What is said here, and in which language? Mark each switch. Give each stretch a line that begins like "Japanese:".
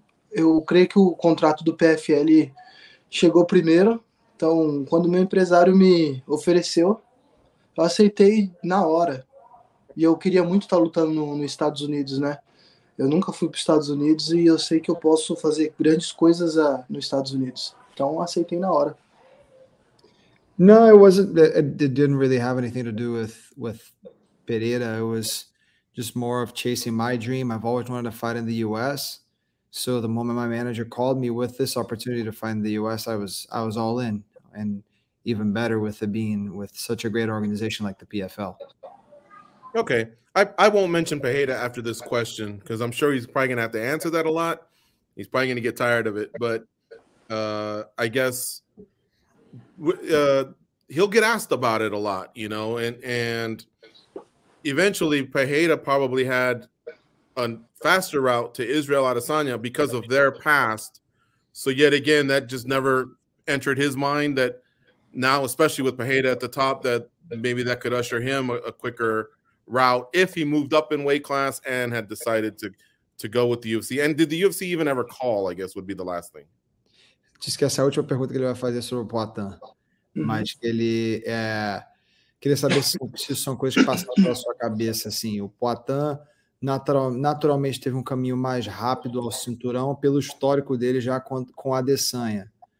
Portuguese: Eu creio que o contrato do PFL chegou primeiro, então quando meu empresário me ofereceu, eu aceitei na hora. E eu queria muito estar lutando nos Estados Unidos, né? Eu nunca fui para os Estados Unidos e eu sei que eu posso fazer grandes coisas nos Estados Unidos. Então, aceitei na hora.
English: No, it wasn't. It didn't really have anything to do with Pereira. It was just more of chasing my dream. I've always wanted to fight in the U.S. So the moment my manager called me with this opportunity to fight in the U.S., I was all in. And even better with it being with such a great organization like the PFL. Okay. I won't mention Pereira after this question because I'm sure he's probably going to have to answer that a lot. He's probably going to get tired of it. But I guess he'll get asked about it a lot, you know. And eventually Pereira probably had a faster route to Israel Adesanya because of their past. So yet again, that just never entered his mind that, now, especially with Pereira at the top, that maybe that could usher him a quicker route if he moved up in weight class and had decided to go with the UFC. And did the UFC even ever call, I guess, would be the last thing.
Portuguese: Esquece a última pergunta que ele vai fazer sobre o Poatan. Mas ele queria saber se são coisas que passaram pela sua cabeça. Assim, o Poatan naturalmente teve caminho mais rápido ao cinturão pelo histórico dele já com a Adesanya.